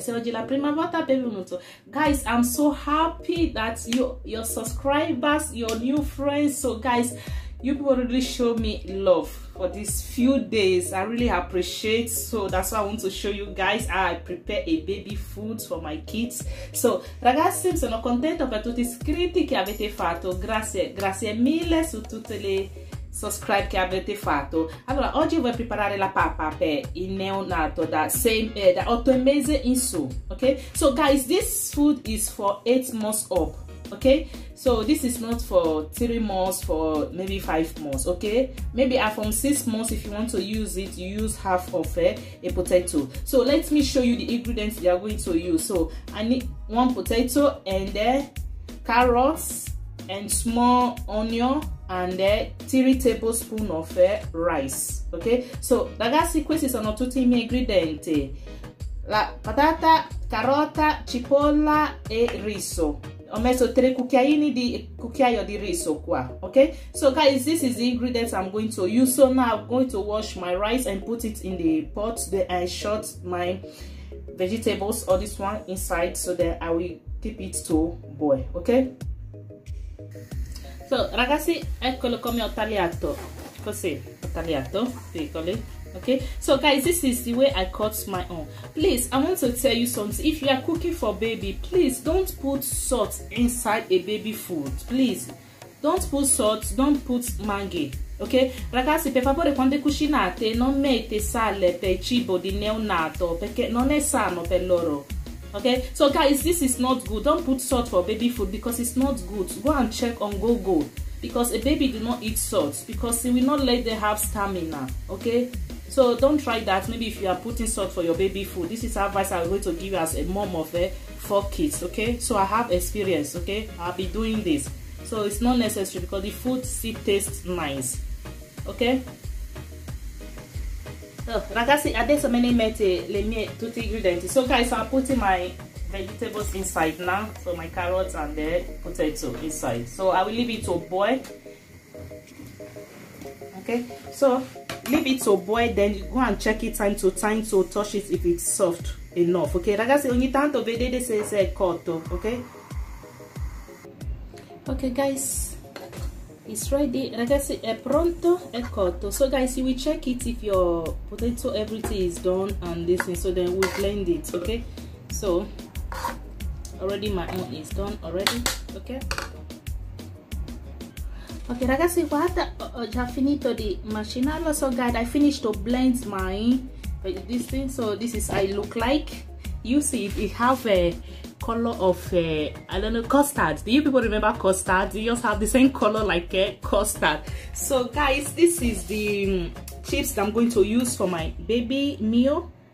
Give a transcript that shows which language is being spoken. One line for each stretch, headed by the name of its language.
Italian: Se oggi la prima volta, benvenuto.
English: Guys, I'm so happy that your subscribers, your new friends. So guys, you people really show me love for these few days. I really appreciate. So that's why I want to show you guys how I prepare a baby food for my kids.
Italian: So ragazzi, sono contento per tutti gli iscritti che avete fatto. Grazie, grazie mille su tutte le subscribe che avete fatto. Allora, oggi vuoi preparare la pappa per il neonato da 8 mesi in su, ok?
English: So guys, this food is for 8 months up, ok? So this is not for 3 months, for maybe 5 months, ok? Maybe from 6 months, if you want to use it, you use half of a potato. So let me show you the ingredients you are going to use. So I need 1 potato and then carrots and small onion and 3 tablespoons of rice, ok?
Italian: So ragazzi, questi sono tutti i miei ingredienti: la patata, carota, cipolla e riso. Ho messo 3 cucchiaio di riso qua, ok?
English: So guys, this is the ingredients I'm going to use. So now I'm going to wash my rice and put it in the pot. Then I shot my vegetables or this one inside, so then I will keep it to boil, ok?
Italian: So ragazzi, eccolo come ho tagliato, così ho tagliato, piccoli, ok?
English: So guys, this is the way I cut my own. Please, I want to tell you something. If you are cooking for baby, please don't put salt inside a baby food. Please, don't put salt, don't put mangi, ok?
Italian: Ragazzi, per favore, quando cucinate, non mette sale per il cibo di neonato, perché non è sano per loro.
English: Okay, so guys, this is not good. Don't put salt for baby food because it's not good. Go and check on Google because a baby do not eat salt because it will not let them have stamina. Okay, so don't try that. Maybe if you are putting salt for your baby food, this is advice I'm going to give you as a mom of 4 kids. Okay, so I have experience. Okay, I'll be doing this, so it's not necessary because the food still tastes nice. Okay.
Italian: Oh, ragazzi, adesso me ne mette le mie tutti gli ingredienti.
English: So guys, I'm putting my vegetables inside now. So my carrots and the potato inside. So I will leave it to boil. Okay, so leave it to boil, then you go and check it time to touch it if it's soft enough.
Italian: Okay, ragazzi, ogni tanto vedete se è cotto, okay?
English: Okay guys, it's ready,
Italian: ragazzi, è pronto, è cotto.
English: So guys, you will check it if your potato, everything is done and this thing. So then we blend it, okay? So already my own is done already, okay?
Italian: Okay ragazzi, guarda, ho già finito di macinarlo.
English: So guys, I finished to blend my this thing. So this is how it look like. You see it, it have a color of I don't know, custard. Do you people remember custard? Do you also have the same color like custard? So guys, this is the chips that I'm going to use for my baby Mio.